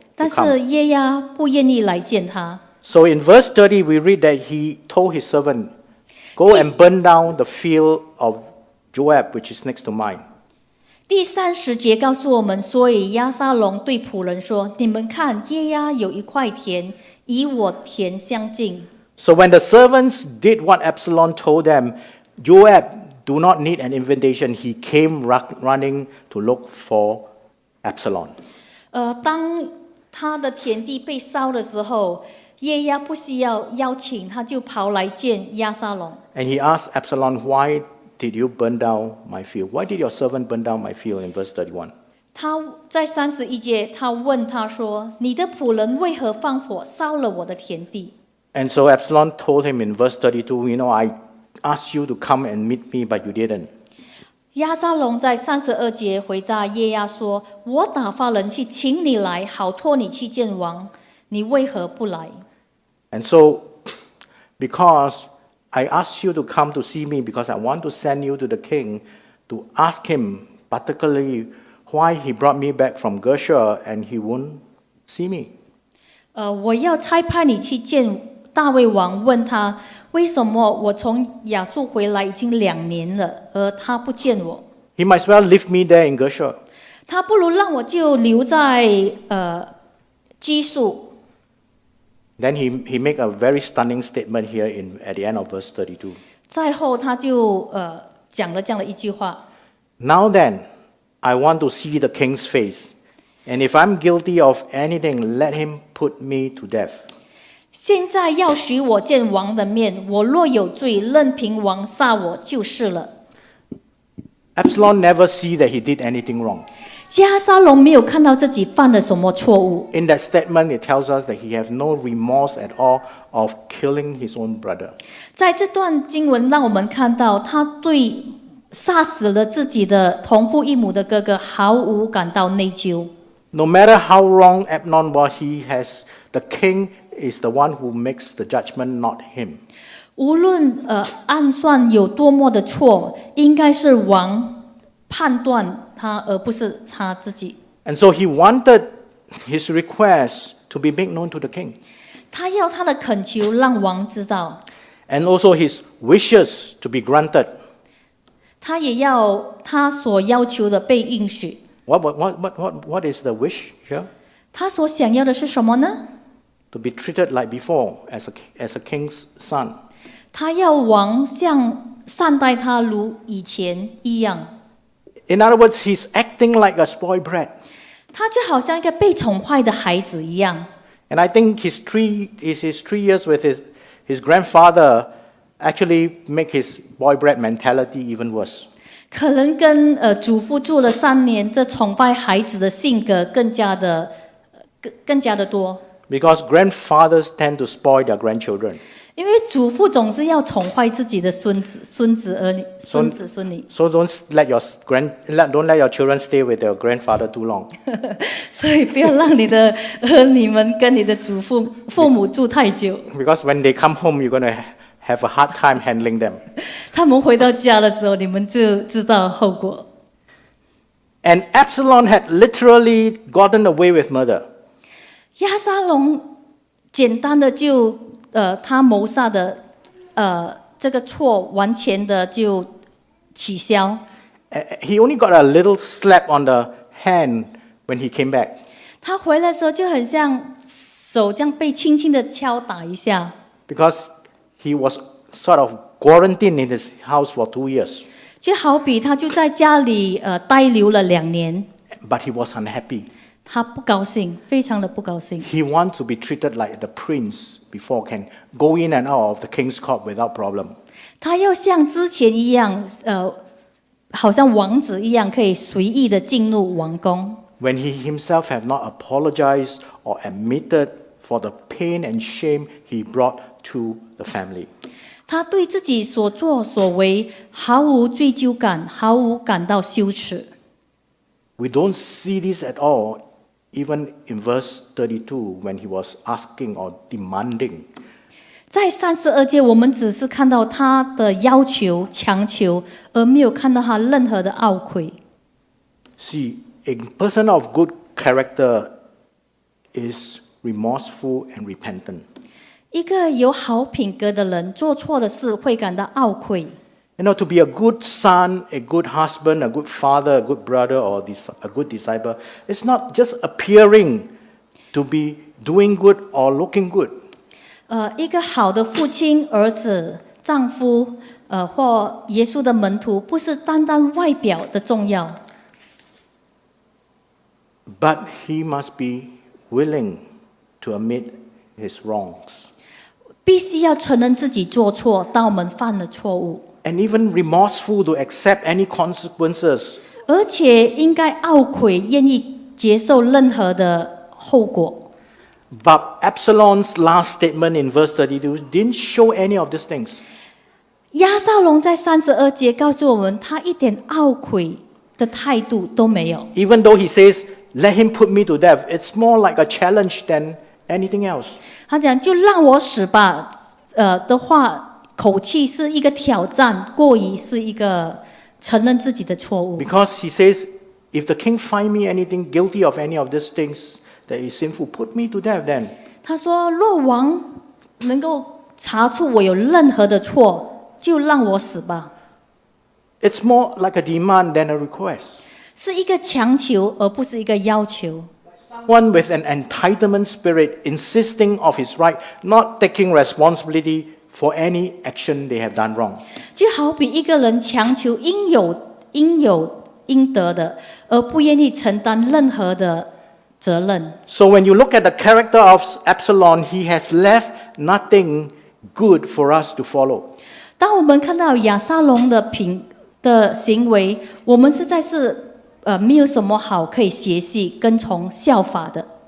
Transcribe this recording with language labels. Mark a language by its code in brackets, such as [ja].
[zh] 但是耶押不愿意来见他。 [en] So in verse 30, we read that he told his servant, "Go and burn down the field of Joab, which is next to mine." [zh] 第三十节告诉我们，所以亚撒龙对仆人说，你们看，耶押有一块田，与我田相近。 [en] So when the servants did what Absalom told them, Joab do not need an invitation. He came running to look for Absalom. [zh] 当他的田地被烧的时候，耶押不需要邀请，他就跑来见亚撒龙。 [en] And he asked Absalom, "Why did you burn down my field? Why did your servant burn down my field?" In verse 31. [zh] 他在三十一节，他问他说：“你的仆人为何放火烧了我的田地？” [en] And so Absalom told him in verse 32, "You know, I asked you to come and meet me, but you didn't." [zh] 亚撒龙在三十二节回答耶押说：“我打发人去请你来，好托你去见王。” 你为何不来？ [en] And so, because I asked you to come to see me because I want to send you to the king to ask him particularly why he brought me back from Geshur and he won't see me. [zh] 我要差派你去见大卫王，问他为什么我从亚述回来已经两年了，而他不见我。 [en] He might as well leave me there in Geshur. [zh] 他不如让我就留在基述。 [en] Then he make a very stunning statement here in at the end of verse 32. [zh] 再后他就讲了这样的一句话。 [en] Now then, I want to see the king's face, and if I'm guilty of anything, let him put me to death. [zh] 现在要许我见王的面，我若有罪，任凭王杀我就是了。 [en] Absalom never see that he did anything wrong. [zh] 亚撒龙没有看到自己犯了什么错误。 [en] In that statement, it tells us that he has no remorse at all of killing his own brother. [zh] 在这段经文让我们看到，他对杀死了自己的同父异母的哥哥毫无感到内疚。 [en] No matter how wrong Amnon was, he has the king is the one who makes the judgment, not him. [zh] 无论暗算有多么的错，应该是王判断他，而不是他自己。 [en] And so he wanted his request to be made known to the king. [zh] 他要他的恳求让王知道。 [en] And also his wishes to be granted. [zh] 他也要他所要求的被应许。 [en] What is the wish here? [zh] 他所想要的是什么呢？ [en] To be treated like before as a king's son. [zh] 他要王像善待他如以前一样。 [en] In other words, he's acting like a spoiled brat. [zh] 他就好像一个被宠坏的孩子一样。 [en] And I think his three years with his grandfather actually make his boy brat mentality even worse. [zh] 可能跟祖父住了三年，这宠坏孩子的性格更加的多。 [en] Because grandfathers tend to spoil their grandchildren. [zh] 因为祖父总是要宠坏自己的孙子孙女。 [en] So don't let your children stay with their grandfather too long. [zh] 所以不要让你的儿女们跟你的祖父父母住太久。 [en] Because when they come home, you're going to have a hard time handling them. [zh] 他们回到家的时候，你们就知道后果。 [en] And Absalom had literally gotten away with murder. [zh] 亚撒龙简单的就他谋杀的这个错完全的就取消。 [en] He only got a little slap on the hand when he came back. [zh] 他回来的时候就很像手这样被轻轻的敲打一下。 [en] Because he was sort of quarantined in his house for 2 years. [zh] 就好比他就在家里待留了两年。 [en] But he was unhappy. [zh] 他不高兴，非常的不高兴。 [en] He wants to be treated like the prince before can go in and out of the king's court without problem. [zh] 他要像之前一样好像王子一样可以随意的进入王宫。 [en] When he himself have not apologized or admitted for the pain and shame he brought to the family. [zh] 他对自己所作所为毫无罪疚感，毫无感到羞耻。 [en] We don't see this at all, even in verse 32, when he was asking or demanding. [zh] 在三十二节，我们只是看到他的要求、强求，而没有看到他任何的懊悔。 [en] See, a person of good character is remorseful and repentant. [zh] 一个有好品格的人做错的事会感到懊悔。 [en] You know, to be a good son, a good husband, a good father, a good brother, or a good disciple, it's not just appearing to be doing good or looking good. [zh] 一个好的父亲、儿子、丈夫，或耶稣的门徒，不是单单外表的重要。 [en] But he must be willing to admit his wrongs. [zh] 必须要承认自己做错，当我们犯了错误。 [en] And even remorseful to accept any consequences. [zh] 而且应该懊悔，愿意接受任何的后果。 [en] But Absalom's last statement in verse 32 didn't show any of these things. [zh] 亚撒龙在三十二节告诉我们，他一点懊悔的态度都没有。 [en] Even though he says, "Let him put me to death," it's more like a challenge than anything else. [zh] 他讲就让我死吧，的话。口气是一个挑战，过于是一个承认自己的错误。 [en] Because he says, if the king find me anything guilty of any of these things that is sinful, put me to death then. [zh] 他说，若王能够查出我有任何的错，就让我死吧。 [en] It's more like a demand than a request. [zh] 是一个强求，而不是一个要求。 [en] One with an entitlement spirit, insisting of his right, not taking responsibility. For any action they have done wrong. [zh] 就好比一个人强求应有应得的，而不愿意承担任何的责任。 [en] So when you look at the character of Absalom, he has left nothing good for us to follow. [zh] 当我们看到亚撒龙的行为，我们实在是没有什么好可以学习、跟从、效法的。